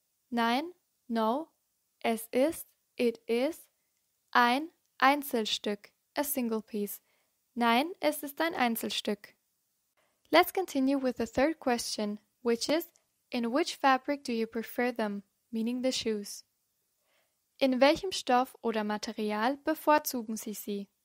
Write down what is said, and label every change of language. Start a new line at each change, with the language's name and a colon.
English: Nein, no,
German: es ist,
English: it is,
German: ein Einzelstück,
English: a single piece.
German: Nein, es ist ein Einzelstück.
English: Let's continue with the third question, which is, in which fabric do you prefer them, meaning the shoes?
German: In welchem Stoff oder Material bevorzugen Sie sie?